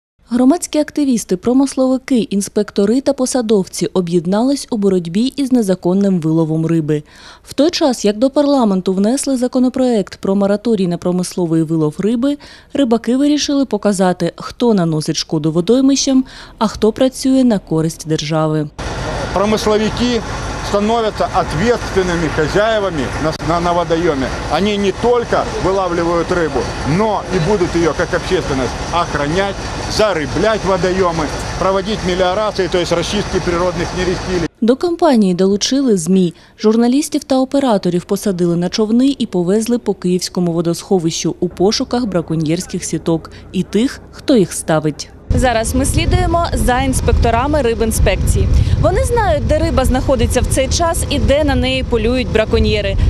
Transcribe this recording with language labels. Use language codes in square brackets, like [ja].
[uk] Громадські активісти, промисловики, інспектори та посадовці об'єднались у боротьбі із незаконним виловом риби. В той час, як до парламенту внесли законопроект про мораторій на промисловий вилов риби, рибаки вирішили показати, хто наносить шкоду водоймищам, а хто працює на користь держави. [ru] Промисловики становятся ответственными хозяевами на водоеме. Они не только вылавливают рыбу, но и будут ее, как общественность, охранять, зарыблять водоемы, проводить мелиорации, то есть расчистки природных нерестилищ. [uk] До кампанії долучили ЗМІ. Журналістів та операторів посадили на човни і повезли по Київському водосховищу у пошуках браконьєрських сіток і тих, хто їх ставить. Зараз ми слідуємо за інспекторами рибінспекції. Вони знають, де риба знаходиться в цей час і де на неї полюють браконьєри.